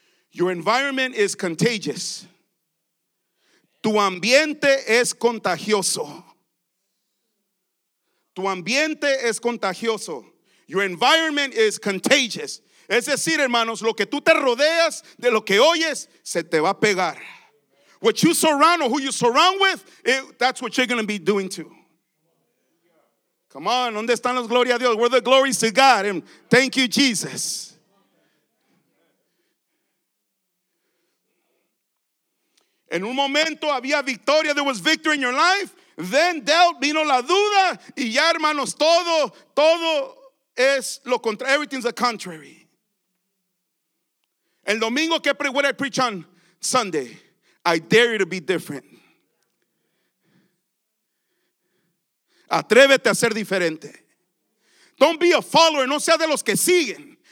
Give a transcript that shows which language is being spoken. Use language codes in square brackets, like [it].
[en] Your environment is contagious. [es] Tu ambiente es contagioso. Tu ambiente es contagioso. [en] Your environment is contagious. [es] Es decir, hermanos, lo que tú te rodeas, de lo que oyes, se te va a pegar. [en] What you surround or who you surround with, that's what you're going to be doing too. Come on, [es] ¿dónde están los glorias a Dios? [en] We're the glories to God. And thank you, Jesus. [es] En un momento había victoria, [en] there was victory in your life. Then doubt, [es] vino la duda, y ya hermanos, todo es lo contrario. [en] Everything's the contrary. [es] El domingo, [en] what I preach on Sunday, I dare you to be different. [es] Atrévete a ser diferente. [en] Don't be a follower, [es] no sea de los que siguen.